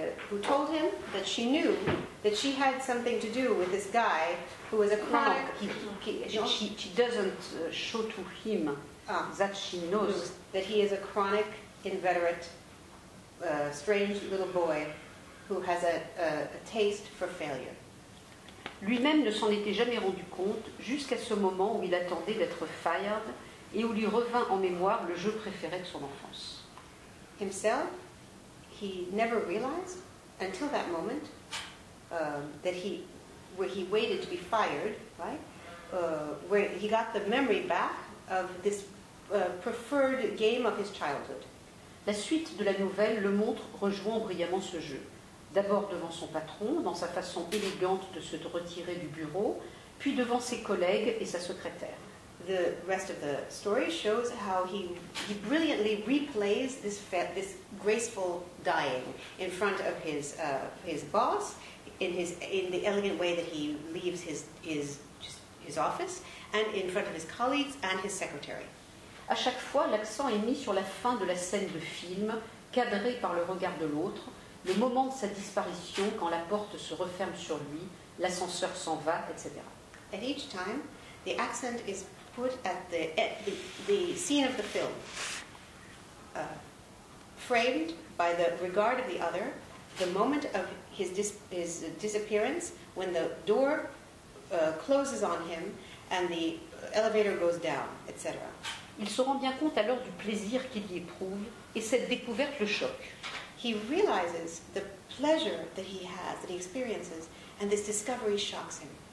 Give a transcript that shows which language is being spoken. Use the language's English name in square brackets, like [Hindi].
[English] Who told him that she knew that she had something to do with this guy who was a chronic. She doesn't show to him that she knows that he is a chronic, inveterate, strange little boy who has a taste for failure. [French] Lui-même ne s'en était jamais rendu compte jusqu'à ce moment où il attendait d'être fired et où lui revint en mémoire le jeu préféré de son enfance. [English] Himself? He never realized until that moment that he waited to be fired, right? Where he got the memory back of this preferred game of his childhood. [French] La suite de la nouvelle le montre rejouant brillamment ce jeu. D'abord devant son patron, dans sa façon élégante de se retirer du bureau, puis devant ses collègues et sa secrétaire. [English] The rest of the story shows how he brilliantly replays this graceful dying in front of his boss in the elegant way that he leaves his office and in front of his colleagues and his secretary. [French] À chaque fois, l'accent est mis sur la fin de la scène de film, cadré par le regard de l'autre, le moment de sa disparition quand la porte se referme sur lui, l'ascenseur s'en va, etc. [English] At each time, the accent is put at the scene of the film, framed by the regard of the other, the moment of his disappearance, when the door closes on him and the elevator goes down, etc. [French] Il se rend bien compte alors du plaisir qu'il y éprouve et cette découverte le choque. [English] He realizes the pleasure that he has, that he experiences, and this discovery shocks him.